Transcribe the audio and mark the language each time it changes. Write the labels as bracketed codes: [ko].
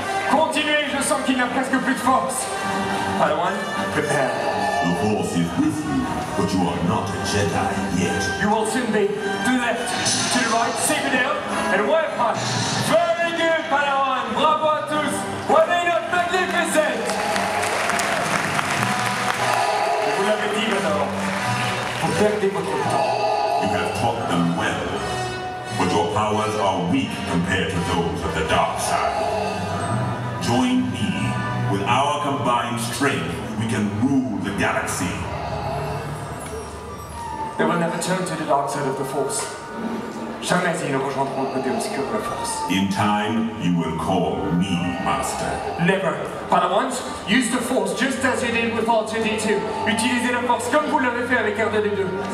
[fr] Continuez, je sens qu'il n'y a presque plus de force. [en] Padawan, prepare. The force is with you, but you are not a Jedi yet. You will soon be. To the left, to the right, take it down, and work on. Very good, Padawan. [fr] Bravo à tous. [en] What a magnificent. [fr] Vous l'avez dit maintenant. Vous perdez votre temps. [en] You have taught them well. But your powers are weak compared to those of the dark side. Join me. With our combined strength, we can rule the galaxy. They will never turn to the dark side of the Force. [fr] Jamais ils ne rejoindront le côté obscur de la Force. [en] In time, you will call me Master. Never. Padawans, use the Force just as you did with R2-D2. [fr] Utilisez la Force comme vous l'avez fait avec R2-D2.